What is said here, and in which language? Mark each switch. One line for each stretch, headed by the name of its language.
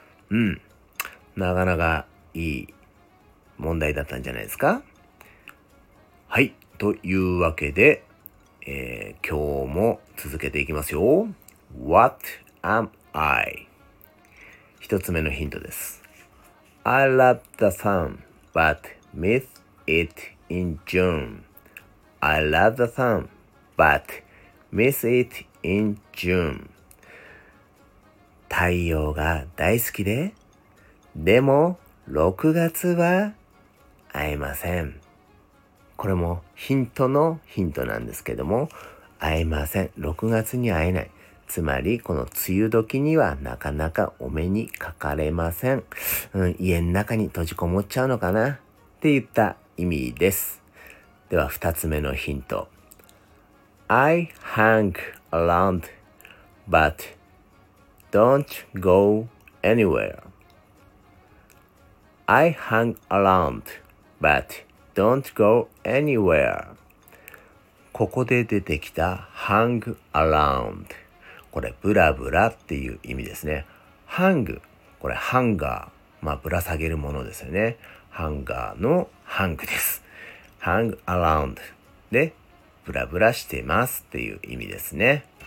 Japanese: うん、なかなかいい問題だったんじゃないですか。はい、というわけで、今日も続けていきますよ。
English: What am I?
Japanese: 一つ目のヒントです。
English: I love the sun but miss it in June. I love the sunBut miss it in June.
Japanese: 太陽が大好きで、でも6月は会えません。これもヒントのヒントなんですけども、会えません。 6月に会えない。つまりこの梅雨時にはなかなかお目にかかれません。家の中に閉じこもっちゃうのかなって言った意味です。では2つ目のヒント。
English: I hang around, but don't go anywhere. I hang around, but don't go anywhere.
Japanese: ここで出てきた hang around。これ、ぶらぶらっていう意味ですね。 hang、これ、ハンガー。まあ、ぶら下げるものですよね。ハンガーの hang です。
English: hang around。
Japanese: で、ブラブラしてますっていう意味ですね。